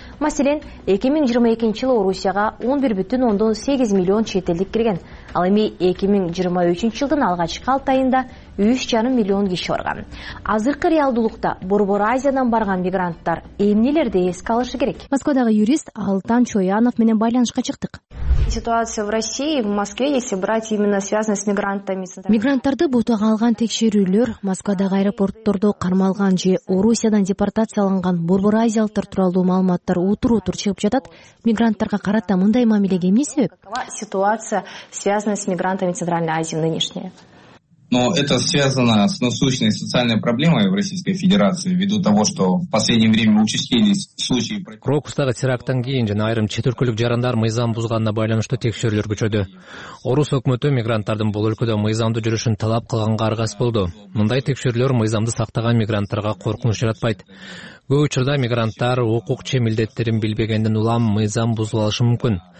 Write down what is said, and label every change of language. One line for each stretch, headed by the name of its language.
Kyrgyz: Маселен, 2022 жылы Орусияга 11,8 миллион чет элдик кирген. Ал эми 2023 жылдын алгачкы 6 айында 3,5 миллион киши барган. Азыркы реалдуулукта Борбор Азиядан барган мигранттар эмнелерди эске алышы керек? Москвадагы юрист Алтан Чоянов менен байланышка чыктык.
Russian: Ситуация в России, в Москве, если брать именно связанные с мигрантами.
Kyrgyz: Мигранттарды бутага алган текшерүүлөр Москвадагы аэропорттордо кармалган же Орусиядан депортацияланган Борбор Азиялыктар тууралуу маалыматтар утур чыгып жатат. Мигранттарга карата мындай мамилеге эмне себеп?
Russian: Ситуация, связанная с мигрантами Центральной Азии нынешняя. Но это связано с насущной социальной проблемой в Российской Федерации ввиду того, что в последнее время участились случаи.
Kyrgyz: Крокустагы терактан кийин жана айрым чет өлкөлүк жарандар мыйзам бузганына байланыштуу текшерүүлөр күчөдү. Орус өкмөтү мигранттардын бул өлкөдө мыйзамдуу жүрүшүн талап кылганга аргас болду. Мындай текшерүүлөр мыйзамды сактаган мигранттарга коркунуч жаратпайт. Көп учурда мигранттар укук же милдеттерин билбегенден улам мыйзам бузуп алышы мүмкүн.